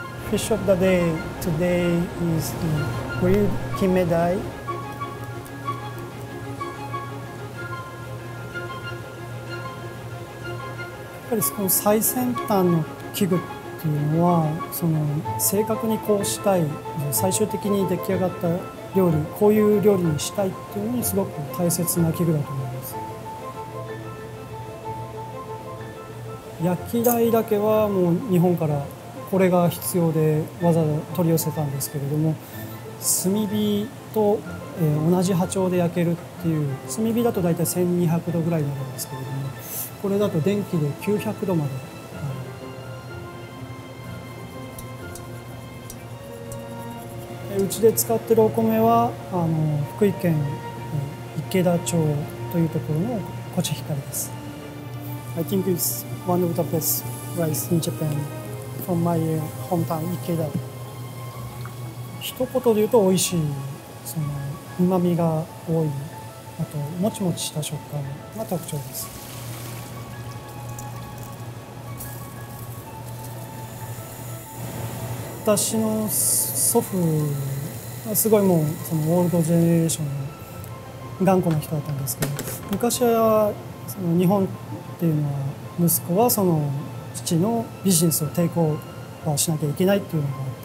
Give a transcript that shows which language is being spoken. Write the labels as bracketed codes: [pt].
[en] Fish of the day today is the grilled kime dai. [ja] やっぱりこの最先端の器具っていうのは、その正確にこうしたい、最終的に出来上がった料理、こういう料理にしたいっていうのにすごく大切な器具だと思います。焼き台だけはもう日本からこれが必要でわざわざ取り寄せたんですけれども、炭火と同じ波長で焼けるっていう、炭火だとだいたい1200度ぐらいになるんですけれども、これだと電気で900度まで、うちで使ってるお米は福井県池田町というところのコシヒカリです。 [en] I think it's one of the best rice in JapanFrom my hometown, Ikeda. [ja] 一言で言うと美味しい、その旨味が多い、あともちもちした食感が特徴です。私の祖父はすごいもうそのオールドジェネレーションの頑固な人だったんですけど、昔はその日本っていうのは息子はその父のビジネスを抵抗しなきゃいけないっていうのがあ